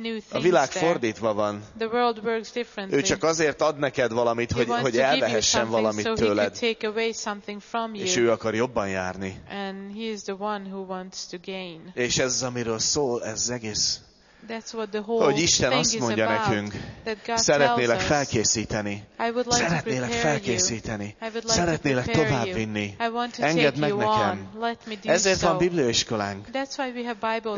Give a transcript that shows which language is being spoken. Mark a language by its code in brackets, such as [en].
[hu] A világ fordítva van. Ő csak azért ad neked valamit, hogy elvehessen valamit tőled. És ő akar jobban járni. [en] And he is the one who wants to gain. [hu] És ez az, amiről szól ez egész. [en] That's what the whole [hu] hogy Isten azt mondja nekünk, szeretnélek felkészíteni, szeretnélek felkészíteni, szeretnélek tovább vinni, engedd meg nekem. Ezért van Biblióiskolánk. [en] That's why we have Bible school.